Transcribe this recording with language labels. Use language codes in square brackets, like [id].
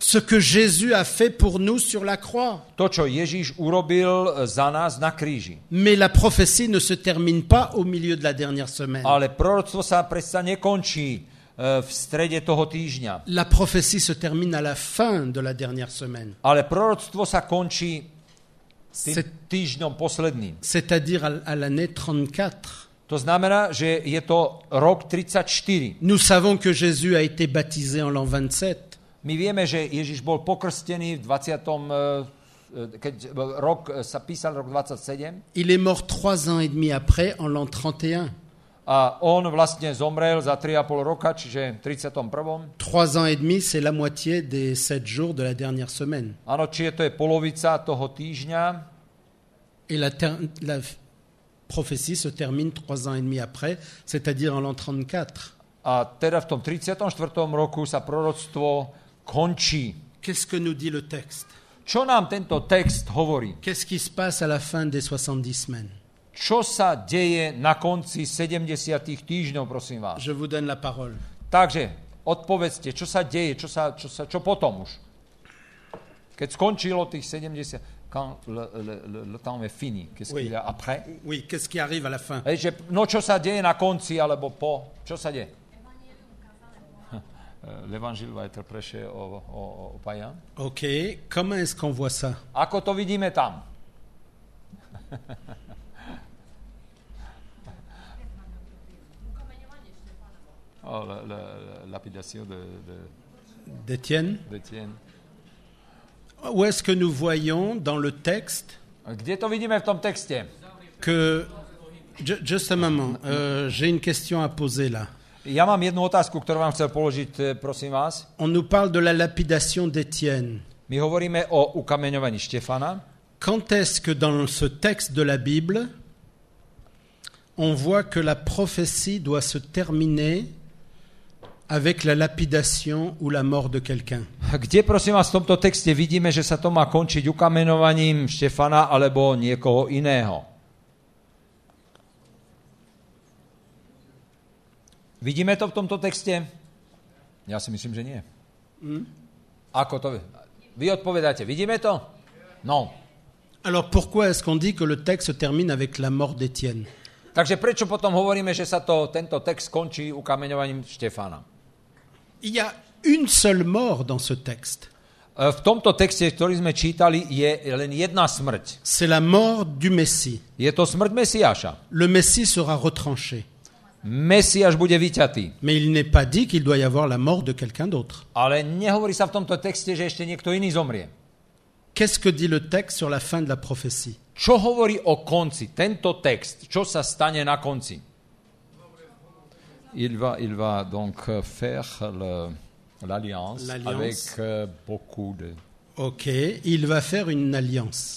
[fr] Ce que Jésus a fait pour nous sur la croix. [sk] To, čo Ježíš urobil za nás na kríži. [fr] Mais la prophétie ne se termine pas au milieu de la dernière semaine. [sk] Ale proroctvo sa predsa nekončí v strede toho týždňa. [fr] La prophétie se termine à la fin de la dernière semaine. [sk] Ale proroctvo sa končí tým týždňom posledným. [fr] C'est-à-dire à l'année 34. [sk] To znamená, že je to rok 34. [fr] Nous savons que Jésus a été baptisé en l'an 27. [sk] My vieme, že Ježiš bol pokrstený v 20. Keď rok sa písal rok 27. [fr] Il est mort 3 ans et demi après en l'an 31. [sk] A on vlastne zomrel za 3,5 roka, čiže 31. [fr] 3 ans et demi, c'est la moitié des 7 jours de la dernière semaine. [sk] Ano, čiže to je polovica toho týždňa. [fr] Et la prophétie se termine 3 ans et demi après, c'est-à-dire en l'an 34. [sk] A teda v tom 34. roku sa proroctvo končí. [fr] Qu'est-ce que nous dit le texte? [sk] Čo nám tento text hovorí? [fr] Qu'est-ce qui se passe à la fin des 70 semaines? [sk] Čo sa deje na konci 70 týždňov, prosím vás? [fr] Je vous donne la parole. [sk] Takže, odpovedzte, čo sa deje, čo potom už? Keď skončilo tých 70... [fr] Quand le temps est fini, qu'est-ce oui. qu'il y a après? Oui, qu'est-ce qui arrive à la fin? [sk] No, čo sa deje na konci, alebo po? Čo sa deje? [fr] L'évangile va être prêché au païen. Ok, comment est-ce qu'on voit ça? [sk] Ako to vidíme tam? [fr] Oh, la lapidation d'Étienne. Où est-ce que nous voyons dans le texte? [sk] Kde to vidíme v tom texte? [fr] Que [en] just a moment, [fr] j'ai une question à poser là. [sk] Ja mám jednu otázku, ktorú vám chcel položiť, prosím vás. [fr] On nous parle de la lapidation d'Étienne. [sk] My hovoríme o ukameňovaní Štefana. [fr] Quand est-ce que dans ce texte de la Bible on voit que la prophétie doit se terminer avec la lapidation ou la mort de quelqu'un? [sk] Kde, prosím vás, v tomto texte vidíme, že sa to má končiť ukameňovaním Štefana alebo niekoho iného? Vidíme to v tomto texte? Ja si myslím, že nie. Ako to? Vy odpovedáte, vidíme to? No. [fr] Alors pourquoi est-ce qu'on dit que le texte termine avec la mort d'Étienne? [sk] Takže prečo potom hovoríme, že sa to tento text končí ukameňovaním Štefana? [fr] Il y a une seule mort dans ce texte. [sk] V tomto texte, ktorý sme čítali, je len jedna smrť. [fr] C'est la mort du Messie. [sk] Je to smrť Mesiáša. [fr] Le Messie sera retranché. [sk] Mesiáš bude vyťatý. [fr] Mais il n'est pas dit qu'il doit y avoir la mort de quelqu'un d'autre. [sk] Ale nehovorí sa v tomto texte, že ešte niekto iný zomrie. [fr] Qu'est-ce que dit le texte sur la fin de la prophétie? [sk] Čo hovorí o konci tento text? Čo sa stane na konci? [fr] Il va donc faire l'alliance avec beaucoup de... OK, il va faire une alliance.